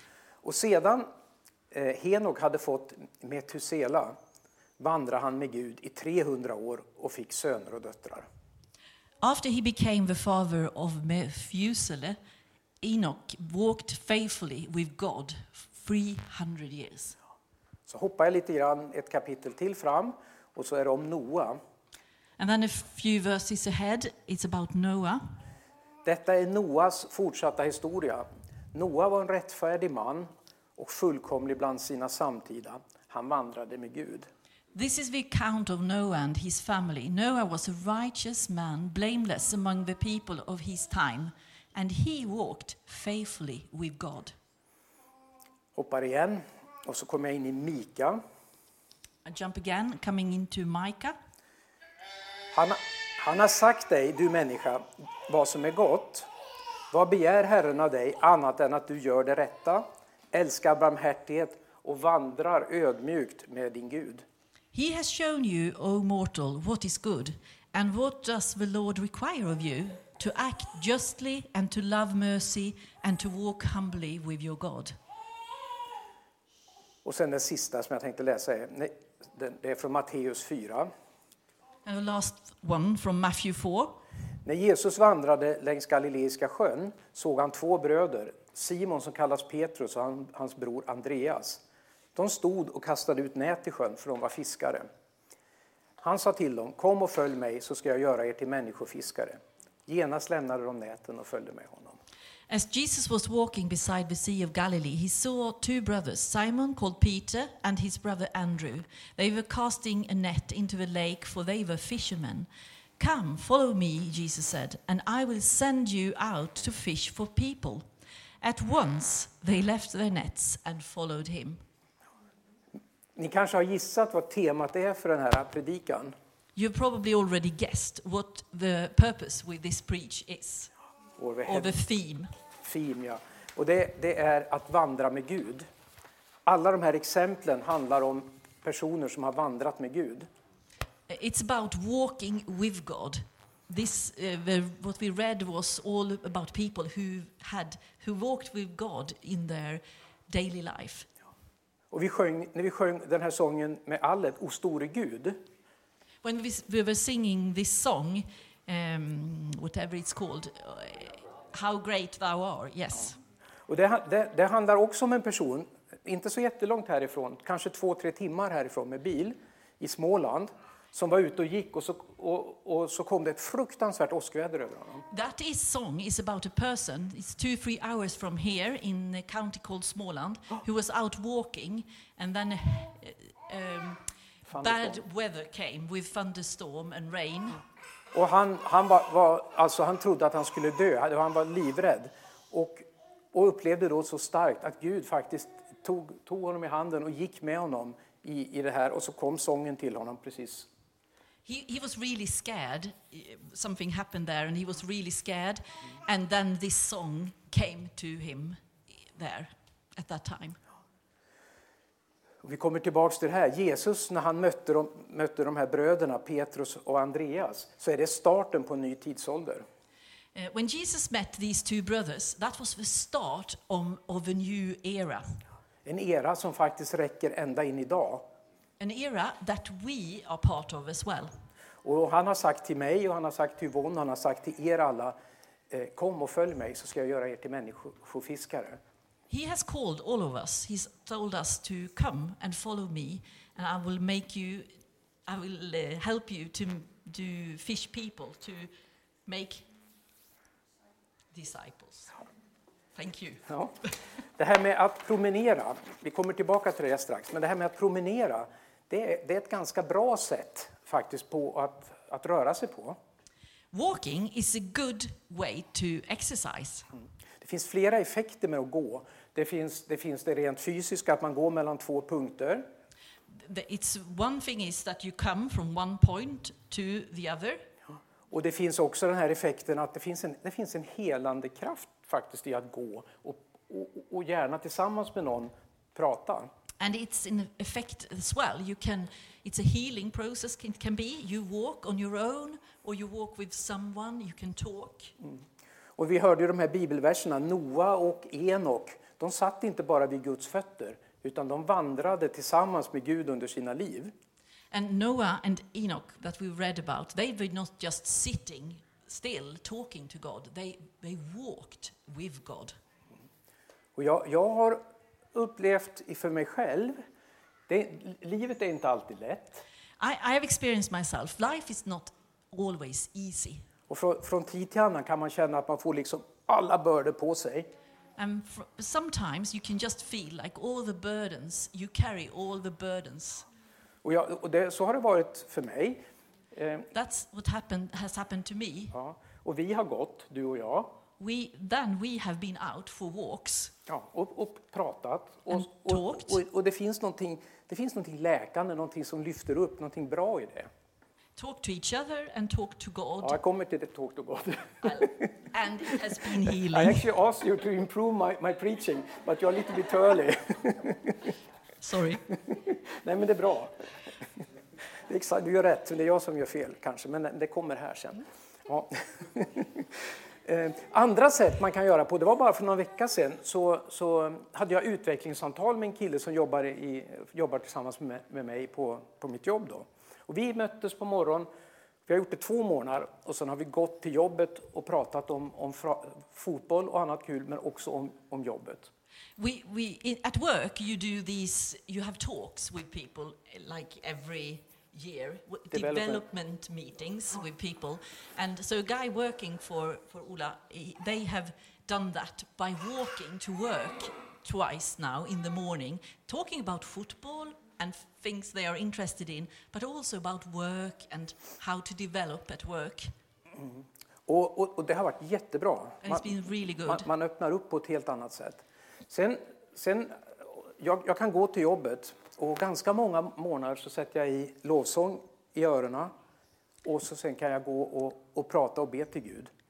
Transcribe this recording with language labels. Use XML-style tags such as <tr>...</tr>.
<sv>Och sedan Henok hade fått Metusela, vandrar han med Gud i 300 år och fick söner och döttrar.</sv> <en>After he became the father of Methuselah, Enoch walked faithfully with God 300 years.</en> <sv>Så hoppar jag lite grann ett kapitel till fram. Och så är det om Noa.</sv> <en>And then a few verses ahead, it's about Noah.</en> <sv>Detta är Noas fortsatta historia. Noa var en rättfärdig man och fullkomlig bland sina samtida. Han vandrade med Gud.</sv> <en>This is the account of Noah and his family. Noah was a righteous man, blameless among the people of his time, and he walked faithfully with God.</en> <sv>Hoppar igen och så kommer jag in i Mika.</sv> <en>I jump again, coming into Micah.</en> <sv>Han har sagt dig, du människa, vad som är gott. Vad begär Herren av dig annat än att du gör det rätta, älskar barmhärtighet och vandrar ödmjukt med din Gud?</sv> <en>He has shown you, O mortal, what is good, and what does the Lord require of you? To act justly and to love mercy and to walk humbly with your God.</en> <sv>Och sen den sista som jag tänkte läsa är, det är från Matteus 4.</sv> <en>And the last one from Matthew 4.</en> <sv>När Jesus vandrade längs Galileiska sjön såg han två bröder, Simon som kallas Petrus och hans bror Andreas. De stod och kastade ut nät i sjön för de var fiskare. Han sa till dem, kom och följ mig så ska jag göra er till människofiskare. Genast lämnade de näten och följde med honom.</sv> <en>As Jesus was walking beside the Sea of Galilee, he saw two brothers, Simon called Peter and his brother Andrew. They were casting a net into the lake, for they were fishermen. Come, follow me, Jesus said, and I will send you out to fish for people. At once they left their nets and followed him.</en> <sv>Ni kanske har gissat vad temat är för den här predikan.</sv> <en>You probably already guessed what the purpose with this preach is. Or the theme. Theme, ja.</en> <sv>Och det är att vandra med Gud. Alla de här exemplen handlar om personer som har vandrat med Gud.</sv> <en>It's about walking with God. This what we read was all about people who walked with God in their daily life.</en> <sv>Ja. Och när vi sjöng den här sången med Alef, O store Gud.</sv> <en>When we were singing this song, whatever it's called, How great thou art, yes.</en> <sv>Och det handlar också om en person inte så jättelångt härifrån, kanske 2-3 timmar härifrån med bil i Småland, som var ute och gick, och så kom det ett fruktansvärt åskväder över honom.</sv> <en>That is song is about a person. It's 2-3 hours from here in a county called Småland, who was out walking, and then bad weather came with thunderstorm and rain.</en> <sv>Och han trodde att han skulle dö. Han var livrädd och upplevde då så starkt att Gud faktiskt tog honom i handen och gick med honom i det här, och så kom sången till honom precis.</sv> <en>He was really scared. Something happened there and he was really scared, and then this song came to him there at that time.</en> <sv>Vi kommer tillbaka till det här. Jesus, när han mötte de här bröderna Petrus och Andreas, så är det starten på en ny tidsålder.</sv> <en>When Jesus met these two brothers, that was the start of a new era.</en> <sv>En era som faktiskt räcker ända in idag.</sv> <en>An era that we are part of as well.</en> <sv>Och han har sagt till mig, och han har sagt till Yvonne, han har sagt till er alla, kom och följ mig så ska jag göra er till människofiskare.</sv> <en>He has called all of us. He's told us to come and follow me, and I will help you to do fish people, to make disciples. Thank you.</en> <sv>Ja. Det här med att promenera, vi kommer tillbaka till det strax, men det här med att promenera, det är ett ganska bra sätt faktiskt på att röra sig på.</sv> <en>Walking is a good way to exercise.</en> <sv>Det finns flera effekter med att gå. Det finns det rent fysiska, att man går mellan två punkter.</sv> <en>It's one thing is that you come from one point to the other.</en> <sv>Och det finns också den här effekten att det finns en helande kraft faktiskt i att gå och gärna tillsammans med någon prata.</sv> <en>And it's an effect as well. It's a healing process. It can be you walk on your own or you walk with someone. You can talk.</en> <sv>Och vi hörde ju de här bibelverserna, Noah och Enoch. De satt inte bara vid Guds fötter, utan de vandrade tillsammans med Gud under sina liv.</sv> <en>And Noah and Enoch that we read about, they were not just sitting still talking to God. They walked with God.</en> <sv>Och jag har upplevt för mig själv, livet är inte alltid lätt.</sv> <en>I have experienced myself. Life is not always easy.</en> <sv>Och från tid till annan kan man känna att man får liksom alla bördor på sig.</sv> <en>And sometimes you can just feel like all the burdens, you carry all the burdens.</en> <sv>Så har det varit för mig.</sv> <en>That's what has happened to me.</en> <sv>Ja. Och vi har gått, du och jag.</sv> <en>We have been out for walks.</en> <sv>Ja, och pratat.</sv> <en>And talked.</en> <sv>Och det finns någonting läkande, någonting som lyfter upp, någonting bra i det.</sv> <en>Talk to each other and talk to God.</en> <sv>Ja, jag kommer till det,</sv> <en>talk to God. And it has been healing. I actually asked you to improve my preaching, but you're a little bit early. Sorry.</en> <sv>Nej, men det är bra. Det är exakt, du gör rätt, det är jag som gör fel kanske, men det kommer här sen. Ja. Andra sätt man kan göra på, det var bara för någon vecka sedan, så hade jag utvecklingssamtal med en kille som jobbar tillsammans med mig på mitt jobb då. Och vi möttes på morgon, vi har gjort det 2 månader, och sen har vi gått till jobbet och pratat om fotboll och annat kul, men också om jobbet.</sv> <en>We at work you do these, you have talks with people like every year, development meetings with people, and so a guy working for Ola, they have done that by walking to work twice now in the morning, talking about football and things they are interested in, but also about work and how to develop at work.</en> <sv>Och det har varit jättebra.</sv> <en>And it's been really good.</en> <sv>Man öppnar upp på ett helt annat sätt. Sen jag kan gå till jobbet, och ganska många månader så sätter jag i lovsång i öronen, och så sen kan jag gå och prata och be till Gud.</sv>